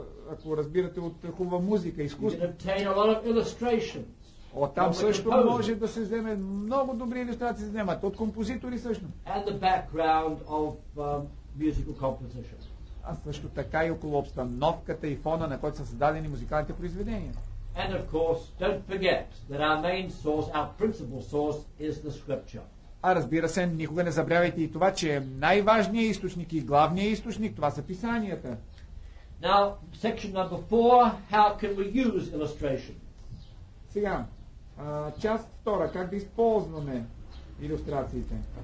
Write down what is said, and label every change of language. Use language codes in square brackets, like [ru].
[bg] ако разбирате от хубава музика, изкуство, [en] you can obtain a lot of illustrations. [bg] От там също може да се вземе много добри илюстрации се вземат от композитори също. [en] And the background of musical composition. [bg] А също така и около обстановката и фона, на който са създадени музикалните произведения. [en] And of course, don't forget that our main source, our principal source is the scripture. [bg] А разбира се, никога не забравяйте и това, че най-важният източник и главният източник, това са писанията. [en] Now, section number 4, how can we use illustrations? [bg] Сега, част втора, как да използваме илюстрациите?